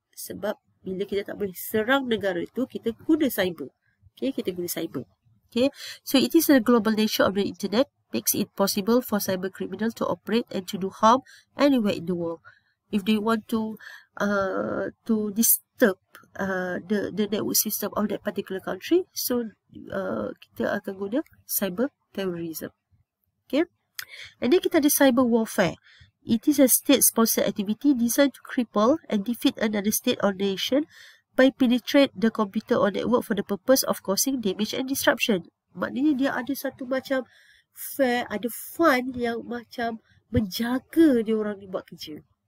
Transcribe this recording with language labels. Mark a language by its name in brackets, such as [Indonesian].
[Malay] Sebab bila kita tak boleh serang negara tu, kita guna cyber. Okay, kita guna cyber. [English] Okay, so it is the global nature of the internet makes it possible for cyber criminal to operate and to do harm anywhere in the world. If they want to disturb the network system of that particular country, [Malay] so kita akan guna [English] cyber terrorism. Okay, and then [Malay] kita ada cyber warfare. [English] It is a state-sponsored activity designed to cripple and defeat another state or nation by penetrate the computer or network for the purpose of causing damage and disruption. [Malay] Maknanya dia ada satu macam fair, ada fun yang macam menjaga dia orang ni buat kerja.